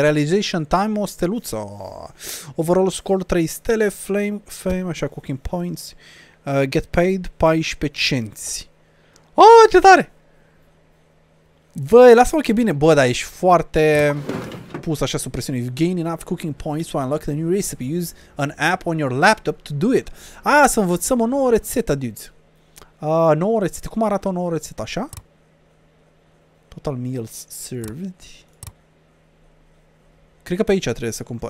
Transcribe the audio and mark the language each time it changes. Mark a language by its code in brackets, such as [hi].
[en] Realization time, [ro] o steluță. [en] Overall score [ro] 3 stele. [en] Flame, fame, [ro] așa, [en] cooking points. Get paid [ro] 14 cenți. Oh, ce tare! Băi, lasă-mă că e bine. Bă, dar ești foarte pus așa sub presiune. [en] You gain enough cooking points to unlock the new recipe. Use an app on your laptop to do it. [ro] Aia, să învățăm o nouă rețetă, dudes. Nouă rețetă. Cum arată o nouă rețetă, așa? [en] Total meals served. [ro] Cred că pe aici trebuie să cumpăr.